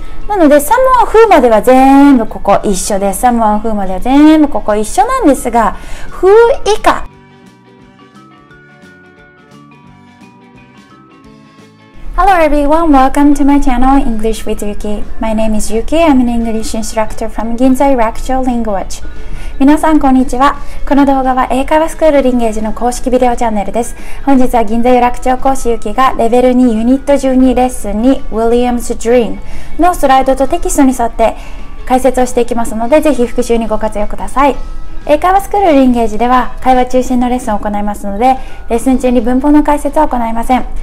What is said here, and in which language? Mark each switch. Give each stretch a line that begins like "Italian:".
Japanese: なのでサモアフーまでは全部ここ一緒です。サモアフーまでは全部ここ一緒なんですが、フー以下、
English: Hello everyone, welcome to my channel English with Yuki. My name is Yuki, I'm an English instructor from Ginza Rakucho Language.
Japanese: 皆さんこんにちは。この動画は英会話スクールリンゲージの公式ビデオチャンネルです。本日は銀座有楽町講師ゆきがレベル2ユニット12レッスン2 Williams Dream のスライドとテキストに沿って解説をしていきますので、ぜひ復習にご活用ください。英会話スクールリンゲージでは会話中心のレッスンを行いますので、レッスン中に文法の解説は行いません。